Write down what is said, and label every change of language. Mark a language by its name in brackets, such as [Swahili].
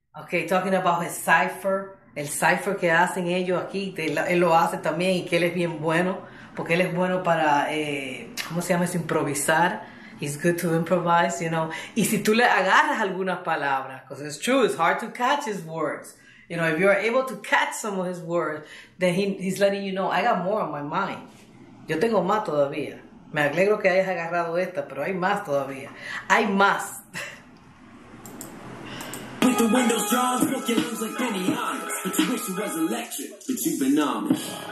[English] Okay, talking about his cipher, [Spanish] el cipher que hacen ellos aquí, él lo hace también y que él es bien bueno, porque él es bueno para ¿cómo se llama eso? Improvisar. [English] It's good to improvise, you know. [Spanish] Y si tú le agarras algunas palabras, [English] because it's true, it's hard to catch his words. You know, if you are able to catch some of his words, then he's letting you know, I got more on my mind. [Spanish] Yo tengo más todavía. Me alegro que hayas agarrado esta, pero hay más todavía. Hay más. [English] With the windows drawn, smoke your lungs like Benny Honest. But you wish it was electric, but you've been honest.